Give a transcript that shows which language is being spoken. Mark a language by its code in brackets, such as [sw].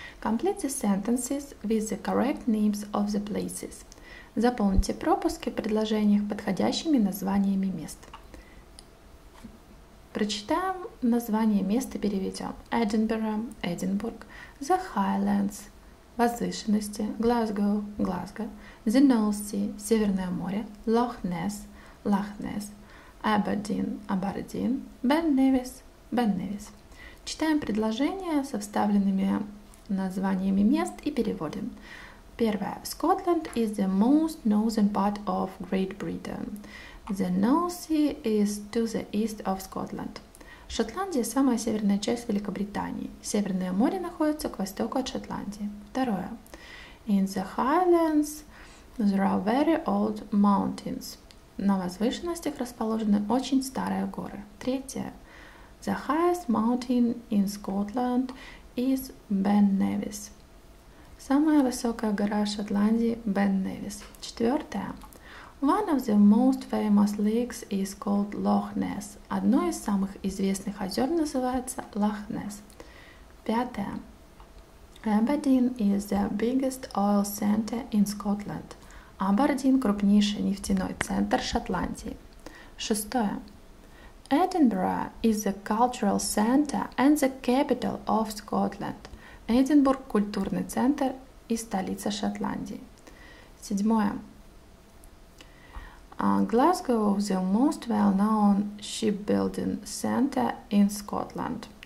[en] Complete the sentences with the correct names of the places. [ru] Заполните пропуски в предложениях подходящими названиями мест. Прочитаем название места и переведем. Edinburgh – Эдинбург, The Highlands – возвышенности, Glasgow – Глазго, The North Sea – Северное море, Loch Ness – Лохнесс, Абердин, Абердин, Бен-Невис, Бен-Невис. Читаем предложения со вставленными названиями мест и переводим. Первое. [en] Scotland is the most northern part of Great Britain. The North Sea is to the east of Scotland. [ru] Шотландия – самая северная часть Великобритании. Северное море находится к востоку от Шотландии. Второе. [en] In the Highlands there are very old mountains. [ru] На возвышенностях расположены очень старые горы. Третье. [en] The highest mountain in Scotland is Ben Nevis. [ru] Самая высокая гора в Шотландии – Ben Nevis. Четвертое. [en] One of the most famous lakes is called Loch Ness. [ru] Одно из самых известных озер называется Loch Ness. Пятое. [en] Aberdeen is the biggest oil center in Scotland. [ru] Абердин – крупнейший нефтяной центр Шотландии. Шестое. [en] Edinburgh is the cultural center and the capital of Scotland. [ru] Эдинбург – культурный центр и столица Шотландии. Седьмое. [en] Glasgow – the most well-known shipbuilding center in Scotland.